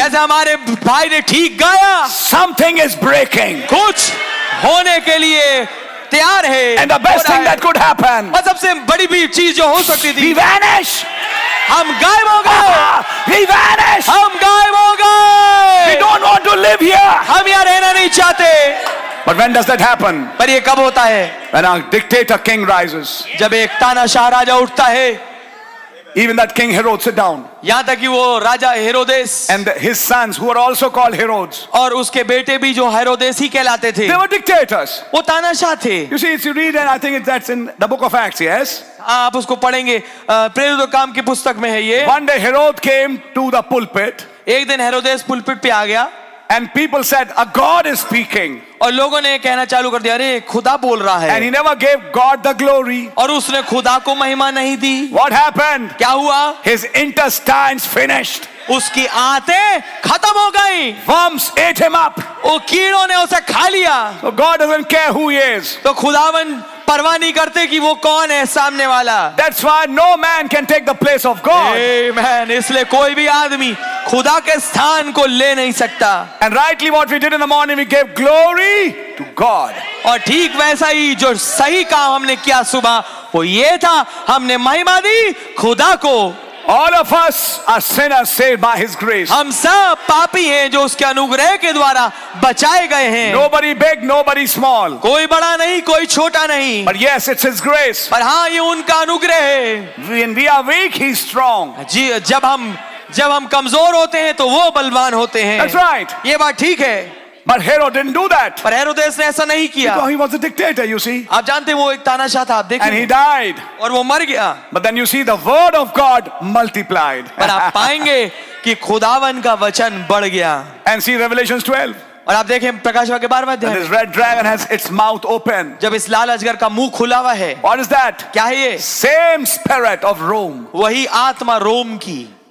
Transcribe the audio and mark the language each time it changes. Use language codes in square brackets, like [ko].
[hi] जैसे हमारे भाई ने ठीक गाया, [en] something is breaking. [hi] कुछ होने के लिए तैयार है. [en] And the best thing that could happen, [hi] और सबसे बड़ी भी चीज जो हो सकती थी, [en] we vanish. [hi] हम गायब हो गए. [en] We vanish. [hi] हम गायब हो गए. [en] We don't want to live here. [hi] हम यहाँ रहना नहीं चाहते. [en] But when does that happen? [hi] पर ये कब होता है? [en] When a dictator king rises. [hi] जब एक तानाशाह राजा उठता है. [en] Even that king Herod sit down. [hi] यहाँ तक कि वो राजा हेरोदेस. [en] And his sons who are also called Herods. [hi] और उसके बेटे भी जो हेरोदेस ही कहलाते थे. [en] They were dictators. [hi] वो तानाशाह थे. [en] You see, if you read and I think that's in the book of Acts, yes. [hi] आप उसको पढ़ेंगे प्रेरितों के काम की पुस्तक में है ये. [en] One day Herod came to the pulpit. [hi] एक दिन हेरोदेस पुलपिट पे आ गया. [en] And people said, "A God is speaking." [hi] और लोगों ने कहना चालू कर दिया, अरे खुदा बोल रहा है. [en] And he never gave God the glory. [hi] और उसने खुदा को महिमा नहीं दी. [en] What happened? [hi] क्या हुआ? [en] His intestines finished. [hi] उसकी आंतें खत्म हो गईं. [en] Worms ate him up. [hi] वो कीड़ों ने उसे खा लिया. [en] So God doesn't care who he is. [hi] तो खुदावन परवाह नहीं करते कि वो कौन है सामने वाला. [en] That's why no man can take the place of God. Amen. [hi] इसलिए कोई भी आदमी खुदा के स्थान को ले नहीं सकता. [en] And rightly what we did in the morning, we gave glory to God. [hi] और ठीक वैसा ही जो सही काम हमने किया सुबह, वो ये था हमने महिमा दी खुदा को. [en] All of us are sinners saved by His grace. [hi] हम सब पापी हैं जो उसके अनुग्रह के द्वारा बचाए गए हैं. [en] Nobody big, nobody small. [hi] कोई बड़ा नहीं, कोई छोटा नहीं. [en] But yes, it's His grace. [hi] पर हाँ, ये उनका अनुग्रह है. [en] When we are weak, He's strong. [hi] जी, जब हम कमजोर होते हैं, तो वो बलवान होते हैं. [en] That's right. [hi] ये बात ठीक है. [en] But Herod didn't do that. [hi] पर हेरोदेस ने ऐसा नहीं किया. [en] Because he was a dictator, you see. [hi] आप जानते हैं वो एक तानाशाह था. आप देखिए. [en] And he died. [hi] और वो मर गया. [en] But then you see the word of God multiplied. [hi] पर आप पाएंगे कि खुदावन का वचन बढ़ गया. [en] And see Revelations 12. [hi] और आप देखें प्रकाशवा के बारे में [en] अध्ययन red dragon has its mouth open [hi] जब इस लाल अजगर का मुंह खुला हुआ है [en] what is that [hi] क्या है ये [en] same spirit of Rome [hi] वही आत्मा रोम की